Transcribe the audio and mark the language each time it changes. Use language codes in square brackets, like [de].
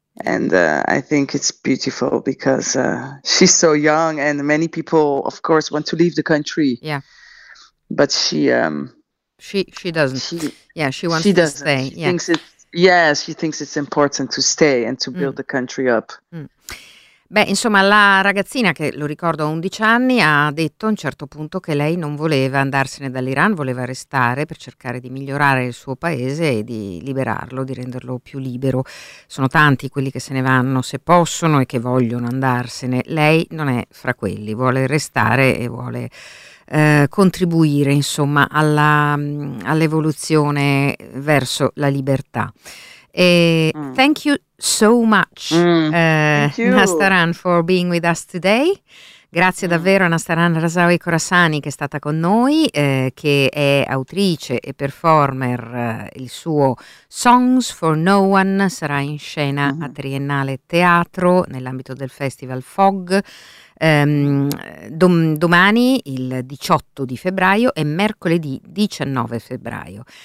[en] And I think it's beautiful because she's so young, and many people, of course, want to leave the country. Yeah, but she. She doesn't. She wants to stay. She thinks it's important to stay and to build the country up. Mm. [it] Beh, insomma, la ragazzina, che lo ricordo ha 11 anni, ha detto a un certo punto che lei non voleva andarsene dall'Iran, voleva restare per cercare di migliorare il suo paese e di liberarlo, di renderlo più libero. Sono tanti quelli che se ne vanno se possono e che vogliono andarsene. Lei non è fra quelli, vuole restare e vuole contribuire, insomma, all'evoluzione verso la libertà. [en] E thank you so much, Nasrin, for being with us today. [it] Grazie davvero a Nasrin Razawi Khorasani, che è stata con noi, che è autrice e performer. Il suo Songs for No One sarà in scena a Triennale Teatro nell'ambito del Festival FOG domani, il 18 di febbraio, e mercoledì 19 febbraio.